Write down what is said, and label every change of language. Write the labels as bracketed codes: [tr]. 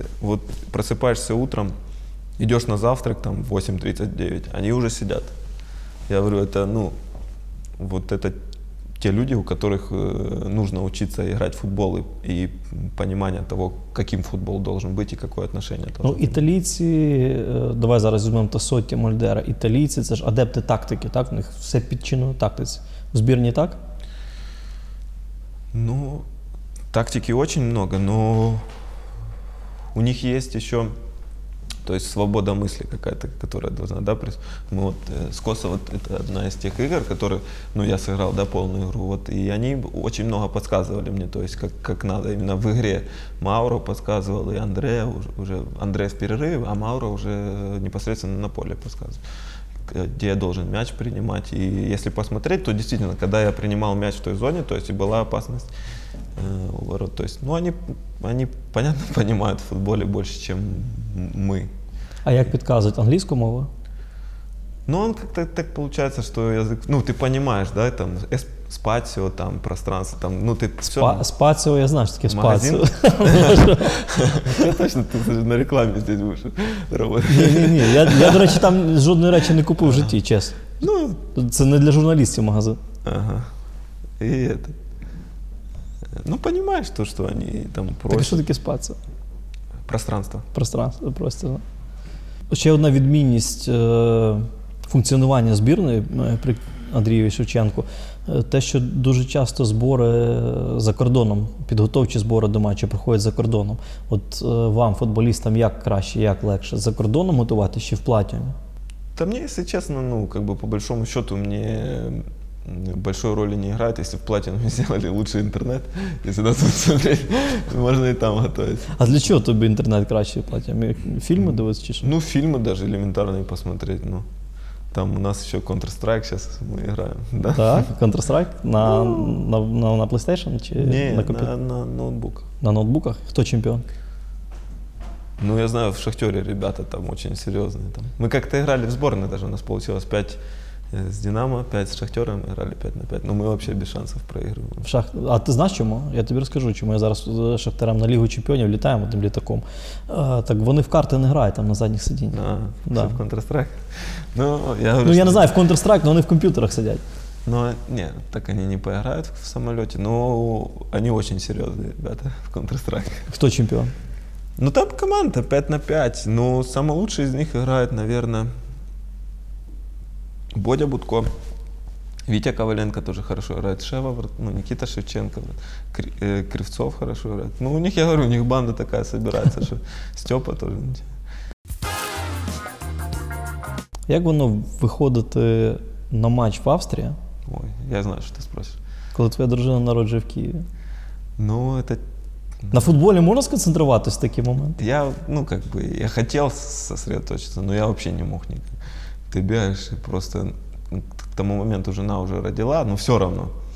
[ru] Вот просыпаешься утром, идешь на завтрак, там, в 8:39, они уже сидят. Я говорю, это, ну, вот это те люди, у которых нужно учиться играть в футбол и понимание того, каким футбол должен быть и какое отношение. [uk] Ну, італійці, давай зараз візьмемо Тасотті, Мальдера, італійці, це ж адепти тактики, так? У них все підчинено тактиці. В збірні так? [ru] Ну, тактики очень много, но у них есть еще... То есть свобода мысли какая-то, которая должна, да, мы вот с Косово, это одна из тех игр, которые, ну, я сыграл, да, полную игру, вот, и они очень много подсказывали мне, то есть как надо именно в игре. Мауро подсказывал, и Андреа уже, Андреа в перерыве, а Мауро уже непосредственно на поле подсказывал, где я должен мяч принимать. И если посмотреть, то действительно, когда я принимал мяч в той зоне, то есть и была опасность у ворот. То есть, ну, они понятно, понимают в футболе больше, чем мы. А как подсказывать? Английскую мову? Ну, он как-то так получается, что язык... Ну, ты понимаешь, да, там, спацио, там, пространство, там, ну, ты все... Спацио, я знаю, что такое спацио. Магазин? Точно, ты на рекламе здесь будешь работать. [uk] Не-не-не, я, до речи, там жодної речі не купив в житті, чесно. Ну... Це не для журналістів магазин. [ru] Ага. И это... Ну, понимаешь то, что они там просят. Так что такое спацио? Пространство. Пространство, просто. [uk] Ще одна відмінність функціонування збірної при Андрію Шевченку – те, що дуже часто збори за кордоном, підготовчі збори до матчу проходять за кордоном. От вам, футболістам, як краще, як легше – за кордоном готувати чи в платі? Та мені, якщо чесно, ну, [ru] как бы, по большому счету, [uk] мені большої ролі не грає, якщо в платі ми зробили краще інтернет, якщо нас посмотреть, можна і там готуватися. А для чого тобі інтернет краще в платі? Фільми дивитися чи що? Ну, фільми навіть елементарні посмотреть. Ну. Там у нас ще Counter-Strike, зараз ми граємо. Да? Так, Counter-Strike? На PlayStation чи не, на комп'ютері? Ні, на ноутбуках. На ноутбуках? Хто чемпіон? Ну, я знаю, в Шахтері ребята там дуже серйозні. Ми як-то грали в зборні, навіть у нас вийшло 5. З Динамо, 5 з Шахтером, грали 5 на 5. Ну, ми взагалі без шансів проігрували. А ти знаєш чому? Я тобі розкажу, чому я зараз з Шахтером на Лігу Чемпіонів літаємо тим літаком. Так вони в карти не грають там на задніх сидіннях. А, да. Все в Counter-Strike? Ну, я не знаю, в Counter-Strike, але вони в комп'ютерах сидять. [ru] Но нет, так они не поиграют в самолете, но они очень серьезные ребята в Counter-Strike. Кто чемпион? Ну там команда 5 на 5, но самый лучший из них играет, наверное, Бодя Будко. Витя Коваленко тоже хорошо играет, Шевовард, ну, Никита Шевченко, Кривцов хорошо играет. Ну, у них, я говорю, у них банда такая собирается, что Степа тоже. [uk] Як воно виходити на матч в Австрії? Ой, я знаю, що ти спросиш. Коли твоя дружина народжує в Києві? [ru] Ну, это... [uk] На футболі можна сконцентруватись в такі моменти? [ru] Я, ну, как бы, я хотів сосредоточитися, но я вообще не мог никак. Ты [uk] бігаєш і просто... [ru] К тому моменту жена уже родила, но все равно.